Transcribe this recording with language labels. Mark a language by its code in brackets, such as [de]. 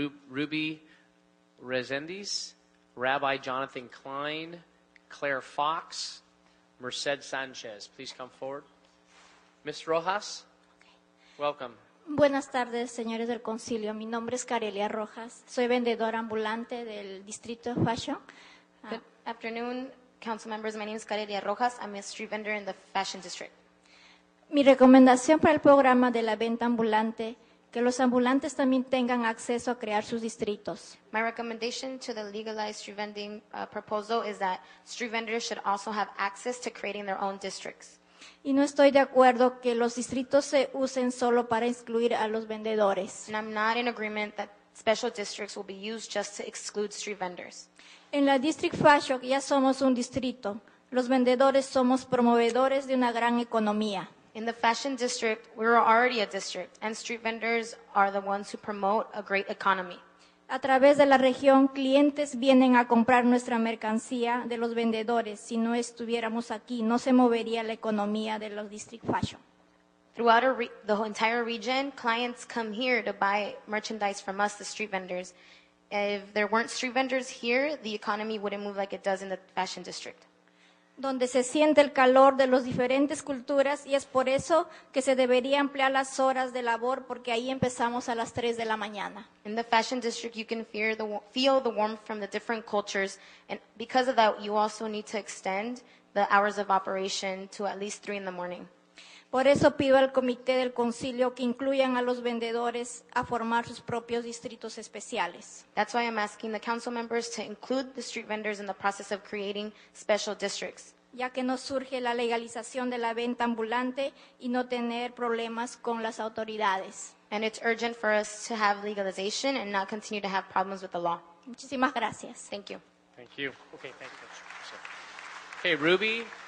[en] Ruby Resendiz, Rabbi Jonathan Klein, Claire Fox, Merced Sanchez, please come forward. Ms. Rojas, welcome. [es] Buenas tardes, señores del concilio. Mi nombre es Carelia Rojas. Soy vendedora ambulante del distrito Fashion. [en] Good afternoon, council members. My name is Carelia Rojas. I'm a street vendor in the Fashion District. [es] Mi recomendación para el programa de la venta ambulante, que los ambulantes también tengan acceso a crear sus distritos. [en] My recommendation to the legalized street vending proposal is that street vendors should also have access to creating their own districts. [es] Y no estoy de acuerdo que los distritos se usen solo para excluir a los vendedores. [en] And I'm not in agreement that special districts will be used just to exclude street vendors. [es] En la District Fashion ya somos un distrito. Los vendedores somos promovedores de una gran economía. [en] In the Fashion District, we're already a district, and street vendors are the ones who promote a great economy. [es] A través de la región, clientes vienen a comprar nuestra mercancía de los vendedores. Si no estuviéramos aquí, no se movería la economía de los District Fashion. [en] Throughout the entire region, clients come here to buy merchandise from us, the street vendors. If there weren't street vendors here, the economy wouldn't move like it does in the Fashion District. [es] donde se siente el calor de las diferentes culturas y es por eso que se debería ampliar las horas de labor porque ahí empezamos a las 3 de la mañana. [en] In the fashion district, you can feel the warmth from the different cultures and because of that, you also need to extend the hours of operation to at least 3 in the morning. [es] Por eso pido al comité del concilio que incluyan a los vendedores a formar sus propios distritos especiales. [en] That's why I'm asking the council members to include the street vendors in the process of creating special districts. [es] Ya que no surge la legalización de la venta ambulante y no tener problemas con las autoridades. [en] And it's urgent for us to have legalization and not continue to have problems with the law. [es] Muchísimas gracias. [en] Thank you. Thank you. Okay, thank you. Okay, Ruby.